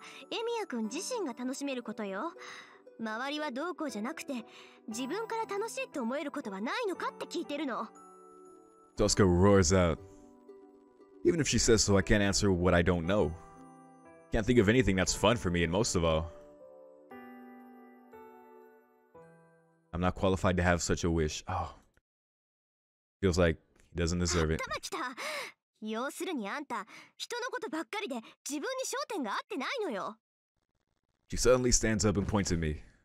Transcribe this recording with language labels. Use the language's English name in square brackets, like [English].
[Japanese] あの、それは嬉しいんであって楽しくはないの。いい?私が言ってるのはエミヤ君自身が楽しめることよ。周りはどうこうじゃなくて、自分から楽しいって思えることはないのかって聞いてるの。 [English] Tosuka roars out. Even if she says so, I can't answer what I don't know. Can't think of anything that's fun for me, and most of all, I'm not qualified to have such a wish. Oh. Feels like he doesn't deserve it. [Japanese] 頭きた。要するにあんた、人のことばっかりで自分に焦点が合ってないのよ。 [English] She suddenly stands up and points at me.